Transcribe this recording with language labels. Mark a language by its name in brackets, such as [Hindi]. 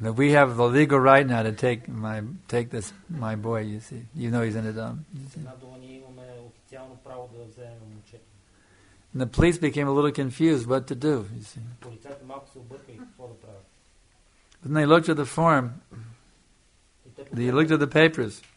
[English] Now we have the legal right now to take this boy, you see. You know he's in a dump. [Bulgarian] Имаме официално право да вземем момчето. [English] And the police became a little confused what to do, you see. [Bulgarian] Полицията малко се обърка и какво да правят. [English] But then they looked at the form. They looked at the papers.